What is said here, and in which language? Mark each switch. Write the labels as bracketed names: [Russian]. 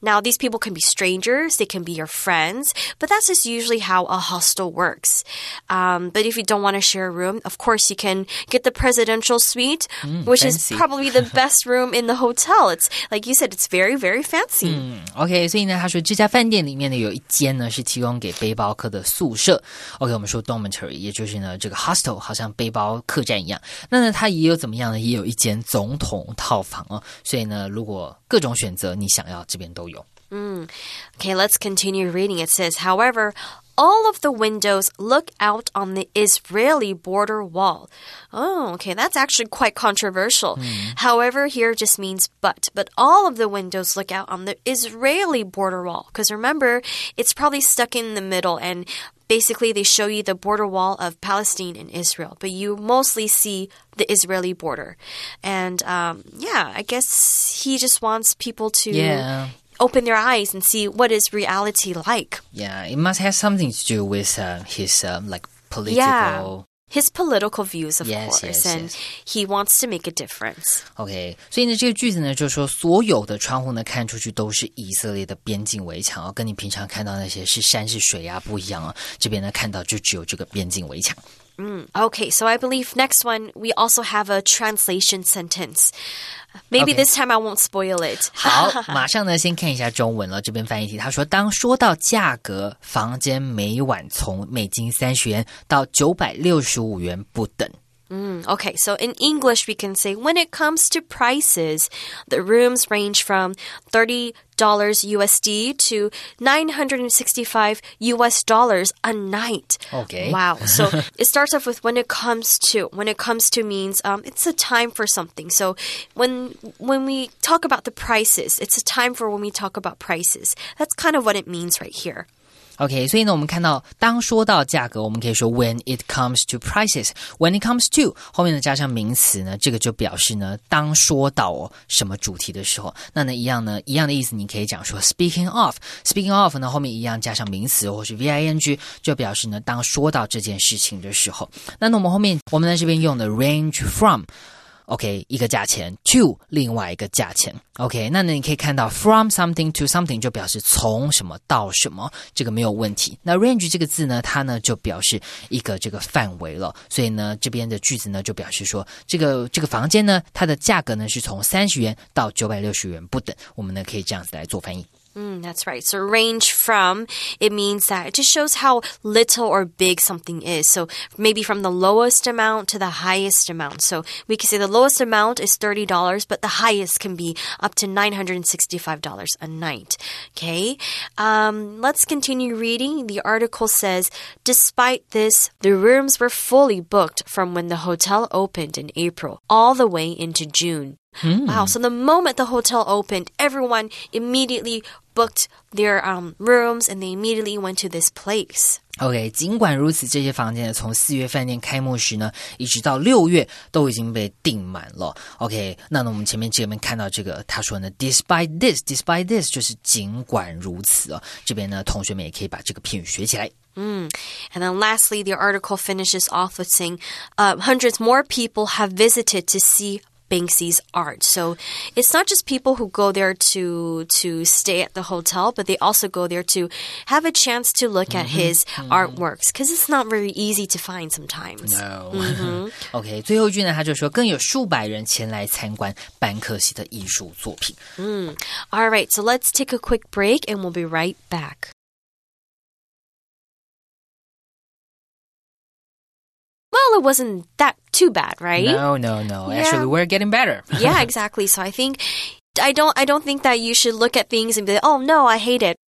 [English] Now, these people can be strangers, they can be your friends, but that's just usually how a hostel works. But if you don't want to share a room, of course you can get the presidential suite, which fancy. Is probably the best room in the hotel. It's like you said, it's very, very fancy. [Chinese] OK, 所以呢他说这家饭店里面呢有一间呢是提供给背包客的宿舍。 OK, 我们说 dormitory, 也就是呢这个 hostel, 好像背包客栈一样。那呢他也有怎么样呢，也有一间总统套房哦。所以呢如果各种选择你想要这边都有。 [English] Okay, let's continue reading. It says, however, all of the windows look out on the Israeli border wall. Oh, okay, that's actually quite controversial. Mm. However, here just means but all of the windows look out on the Israeli border wall. Because remember, it's probably stuck in the middle, and basically they show you the border wall of Palestine and Israel. But you mostly see the Israeli border. And I guess he just wants people to... Yeah. open their eyes and see what is reality like. Yeah, it must have something to do with his political... Yeah, his political views, of yes, course. and yes. He wants to make a difference. [Chinese] Okay, 所以呢这个句子呢就是说所有的窗户呢看出去都是以色列的边境围墙，跟你平常看到那些是山是水啊不一样啊，这边呢看到就只有这个边境围墙。 [English] Okay, so I believe next one, we also have a translation sentence. Maybe okay. This time I won't spoil it. [Chinese] 好，马上呢先看一下中文了，这边翻译题。他说，当说到价格，房间每晚从$30到965不等。 [English] Okay, so in English, we can say, when it comes to prices, the rooms range from $30 USD to $965 a night. Okay. Wow. So it starts off with when it comes to. When it comes to means it's a time for something. So when we talk about the prices, it's a time for when we talk about prices. That's kind of what it means right here. [Chinese] OK, 所以呢我们看到当说到价格我们可以说 [English] when it comes to [Chinese] prices, when it comes to, 后面呢加上名词呢这个就表示呢当说到什么主题的时候。那呢一样的意思你可以讲说 [English] speaking of [Chinese] 呢后面一样加上名词或是 ving, 就表示呢当说到这件事情的时候。那我们后面我们在这边用的 [English] range from, [Chinese] OK, 一个价钱 to 另外一个价钱 OK, 那你可以看到 [English] from something to something [Chinese] 就表示从什么到什么，这个没有问题。那 range 这个字呢，它呢就表示一个这个范围了，所以呢这边的句子呢就表示说这个房间呢它的价格呢是从30元到960元不等，我们呢可以这样子来做翻译。 [English] That's right. So range from, it means that it just shows how little or big something is. So maybe from the lowest amount to the highest amount. So we can say the lowest amount is $30, but the highest can be up to $965 a night. Okay. Let's continue reading. The article says, despite this, the rooms were fully booked from when the hotel opened in April all the way into June. Wow, so the moment the hotel opened, everyone immediately booked their rooms and they immediately went to this place. [Chinese] OK, 尽管如此，这些房间从四月饭店开幕时呢，一直到六月都已经被订满了。 OK, 那我们前面这边看到这个，他说呢 [English] despite this [Chinese] 就是尽管如此哦。这边呢，同学们也可以把这个片语学起来。 [English] And then lastly, the article finishes off with saying, hundreds more people have visited to seeBanksy's art. So it's not just people who go there to stay at the hotel, but they also go there to have a chance to look at his artworks, because it's not very easy to find sometimes. No. [Chinese] OK, 最后句呢他就说更有数百人前来参观班克西的艺术作品。 [English] All right, so let's take a quick break and we'll be right back. Well, it wasn't that too bad, right? No. Yeah. Actually, we're getting better. Yeah, exactly. So I think, I don't think that you should look at things and be like, oh, no, I hate it.